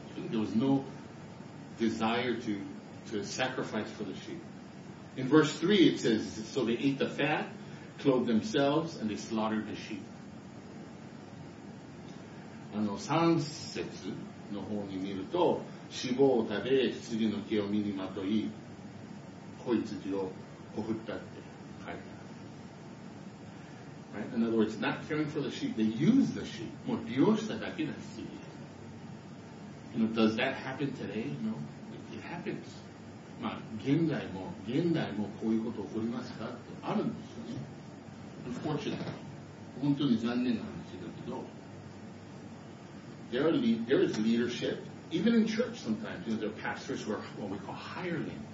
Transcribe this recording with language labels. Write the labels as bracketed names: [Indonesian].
[English] There was no desire to sacrifice for the sheep. In verse 3, it says, so they ate the fat, clothed themselves, and they slaughtered the sheep. [Japanese] 3節の方に見ると、脂肪を食べ、羊の毛を身にまとい、子羊をほふったって書いてある。 [English] Right? In other words, not caring for the sheep, they use the sheep. [Japanese] もう利用しただけだ、羊。 [English] You know, does that happen today? No. It happens. [Japanese] まあ、現代もこういうこと起こりますかってあるんですよね。 [English] Unfortunately. [Japanese] 本当に残念な話だけど、 [English] There is leadership, even in church sometimes. You know, there are pastors who are what we call hirelings.